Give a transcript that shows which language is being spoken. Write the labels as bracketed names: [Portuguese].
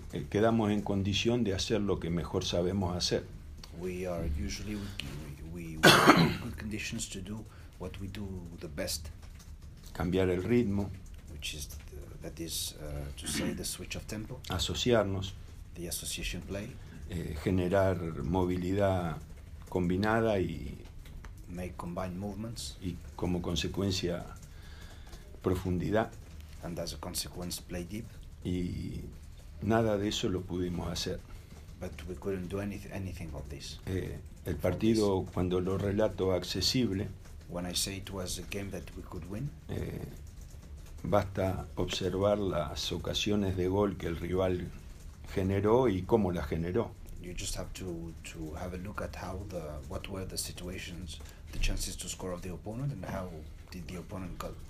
[Spanish] Quedamos en condición de hacer lo que mejor sabemos hacer. [English] We are usually we are in good conditions to do what we do the best. [Spanish] Cambiar el ritmo. [English] Which is to say the switch of tempo. [Spanish] Asociarnos. [English] The association play. [Spanish] Generar movilidad combinada y [English] make combined movements. [Spanish] Y como consecuencia profundidad. [English] And as a consequence play deep. [Spanish] Y nada de eso lo pudimos hacer. [English] But we couldn't do anything of this. [Spanish] El partido this. Cuando lo relato accesible. [English] When I say it was a game that we could win. [Spanish] Basta observar las ocasiones de gol que el rival generó y cómo las generó. [English] You just have to have a look at what were the situations, the chances to score of the opponent and how did the opponent got.